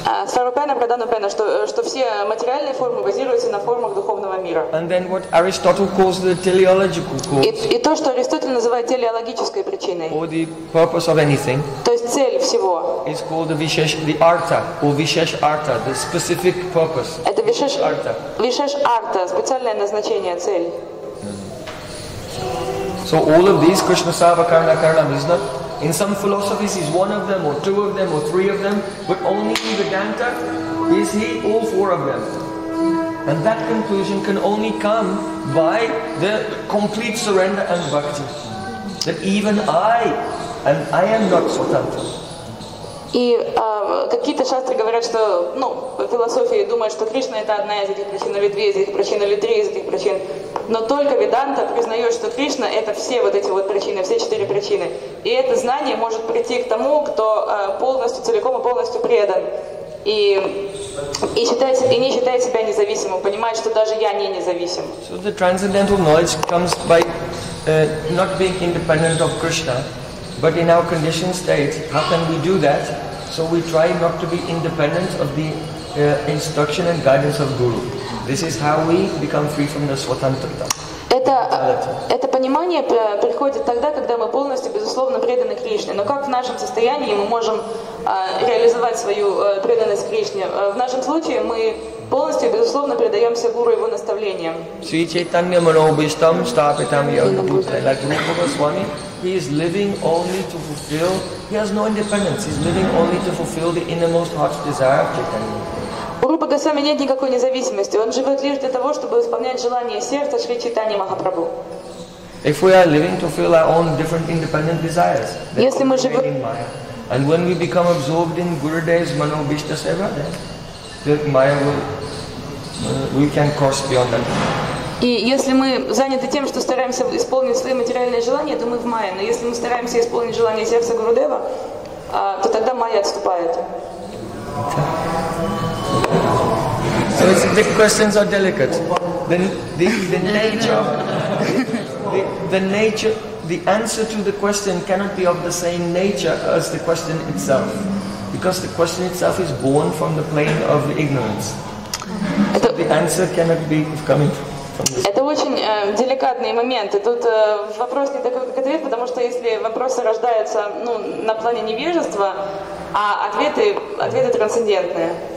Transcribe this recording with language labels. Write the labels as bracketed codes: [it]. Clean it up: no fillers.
[sa] Сварупена прадан рупена, [ru] что все материальные формы базируются на формах духовного мира. [en] And then what Aristotle calls the teleological cause. [ru] И то, что Аристотель называет телеологической причиной. [en] Or the purpose of anything. [ru] То есть цель всего. [en] Is called the vishesh, the artha, or vishesh artha, the specific purpose. [ru] Это vishesh artha. Vishesh artha, специальное назначение, цель. [en] So all of these Krishna Sava Karna Karnam is not, in some philosophies he's one of them or two of them or three of them, but only in Vedanta is he all four of them. And that conclusion can only come by the complete surrender and bhakti. That even I And I am not Svatantra. [ru] И какие-то шастры говорят, что, ну, философии думают, что Кришна это одна из этих причин, или две из этих причин, или три из этих причин. Но только Веданта признает, что Кришна это все вот эти вот причины, все четыре причины. И это знание может прийти к тому, кто полностью, целиком и полностью предан. И не считает себя независимым, понимает, что даже я не независим. [en] So the transcendental knowledge comes by not being independent of Krishna. But in our conditioned state, how can we do that? So we try not to be independent of the instruction and guidance of Guru. This is how we become free from the svatantrata. [ru] Это понимание приходит тогда, когда мы полностью, безусловно, преданы Кришне. Но как в нашем состоянии мы можем реализовать свою преданность Кришне? В нашем случае мы полностью, безусловно, предаемся Гуру и его наставлениям. [sa] Sri Chaitanya Manobhishtam Stapitam Yagabhutai. [en] Like Guru Goswami, he is living only to fulfill, he has no independence, he is living only to fulfill the innermost heart's desire of Chaitanya. [ru] У Рупа Госвами нет никакой независимости. Он живет лишь для того, чтобы исполнять желания сердца Шри Чайтаньи Махапрабху. [en] If we are living to fulfill our own different independent desires, [ru] если мы живем, [en] and when we become absorbed in Gurudev's Manobhishta Seva, then the Maya will, we can cross beyond that. [ru] И если мы заняты тем, что стараемся исполнить свои материальные желания, то мы в Майе. Но если мы стараемся исполнить желание сердца Гурудева, то тогда Майя отступает. [en] So the questions are delicate. The answer to the question cannot be of the same nature as the question itself, because the question itself is born from the plane of ignorance. So the answer cannot be coming from this. [ru] Это очень деликатный момент. Тут вопрос не такой, как ответ, потому что если вопросы рождаются, ну, на плане невежества, а ответы трансцендентные.